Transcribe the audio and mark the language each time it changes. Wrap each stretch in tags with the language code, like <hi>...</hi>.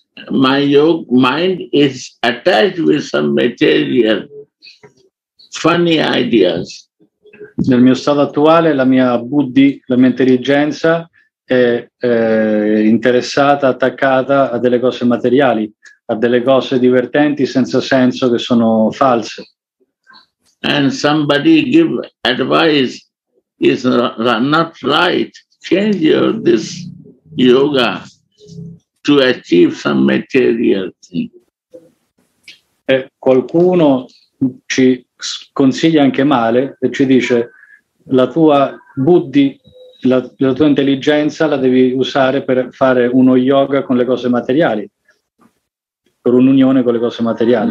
<en>My yoga mind is attached with some material funny ideas.</en> <it>Nel mio stato attuale, la mia Buddhi, la mia intelligenza, è interessata, attaccata a delle cose materiali, a delle cose divertenti senza senso che sono false.</it> <en>And somebody give advice is not right. Change this yoga to achieve some material thing.</en> <it>E qualcuno ci consiglia anche male e ci dice la tua Buddhi, la tua intelligenza la devi usare per fare uno yoga con le cose materiali, per un'unione con le cose materiali.</it>